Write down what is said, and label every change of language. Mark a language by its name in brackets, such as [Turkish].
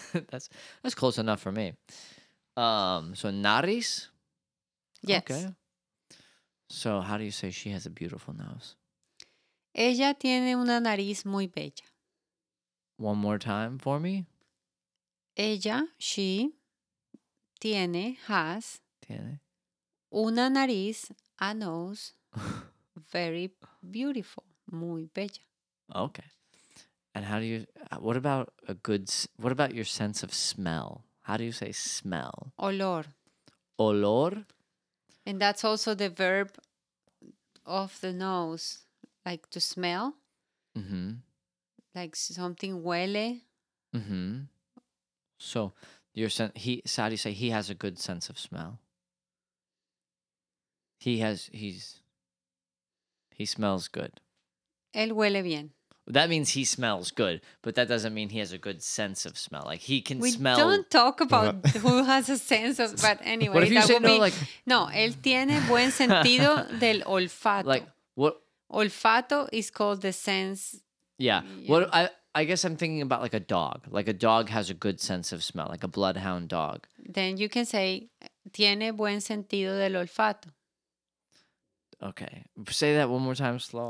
[English] That's close enough for me. So nariz? Yes. Okay. So how do you say she has a beautiful nose? [Spanish] Ella tiene una nariz muy bella. [English] One more time for me. [Spanish] Ella, she, tiene, has, tiene, una nariz, [English] a nose, very beautiful, [Spanish] muy bella. [English] Okay. And how do you, what about a good, what about your sense of smell? How do you say smell? [Spanish] Olor. Olor? [English] And that's also the verb of the nose, like to smell. Mm-hmm. Like something huele. Mm-hmm. So, your sense, he, Sadi say he has a good sense of smell. He has, he smells good. [Spanish] Él huele bien. [English] That means he smells good, but that doesn't mean he has a good sense of smell. Like, he can we smell. We don't talk about who has a sense of, but anyway. What if you say no, be, like. [Spanish] No, él tiene buen sentido del olfato. [English] Like, what? Olfato is called the sense. Yeah. What I guess I'm thinking about like a dog. Like a dog has a good sense of smell, like a bloodhound dog. Then you can say, [Spanish] tiene buen sentido del olfato. [English] Okay. Say that one more time slow.